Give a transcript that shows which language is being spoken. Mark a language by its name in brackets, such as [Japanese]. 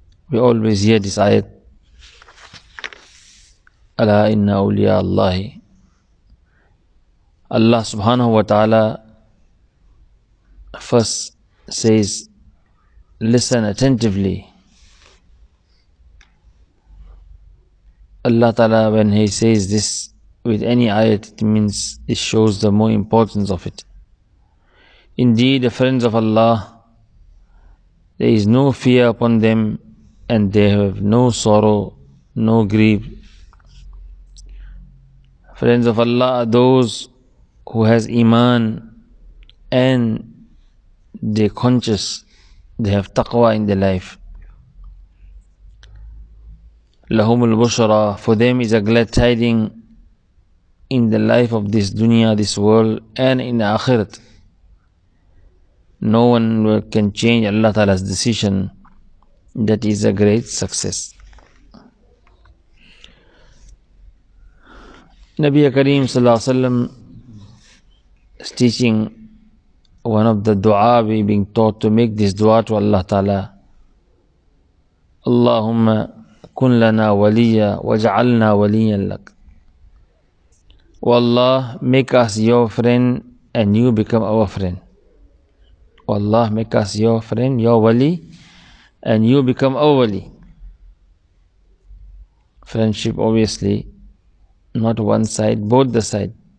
[English] We always hear this ayat [Arabic] الا ان اولیاء اللہ، [English] اللہ سبحانہ و تعالی first says listen attentively، اللہ تعالی when he says this with any ayat it means it shows the more importance of it. Indeed, the friends of Allah, there is no fear upon them and they have no sorrow, no grief. Friends of Allah are those who has iman and they conscious, they have taqwa in their life. [Arabic] لهم البشرى، [English] for them is a glad tiding in the life of this dunya, this world, and in the akhirat. No one can change Allah Ta'ala's decision. That is a great success. نبی کریم صلی اللہ علیہ وسلم is teaching one of the dua we being taught to make this dua to Allah Ta'ala. [Arabic] اللهم كن لنا وليا وجعلنا وليا لك. [English] و اللہ make us your friend and you become our friend. و اللہ make us your friend, your wali, and you become our wali. Friendship obviously not one side, both the side.